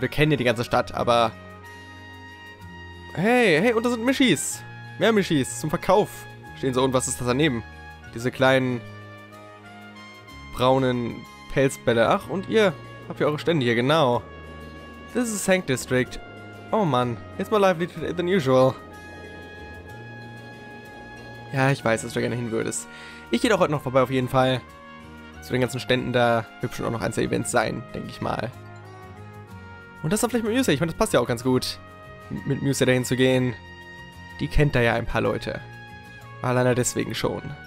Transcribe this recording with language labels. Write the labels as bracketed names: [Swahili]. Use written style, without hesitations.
[German] Wir kennen ja die ganze Stadt, aber... Hey, und da sind Mischis. Mehr Mischis zum Verkauf. Stehen so, und was ist das daneben? Diese kleinen... braunen Pelzbälle. Ach, und ihr habt ja eure Stände hier, genau. [English] This is Hank District. [German] Oh Mann, [English] it's more lively today than usual. [German] Ja, ich weiß, dass du gerne hin würdest. Ich gehe doch heute noch vorbei auf jeden Fall. Zu den ganzen Ständen da wird schon auch noch ein paar Events sein, denke ich mal. Und das dann vielleicht mit Musa. Ich meine, das passt ja auch ganz gut, mit Musa dahin zu gehen. Die kennt da ja ein paar Leute. Alleine deswegen schon.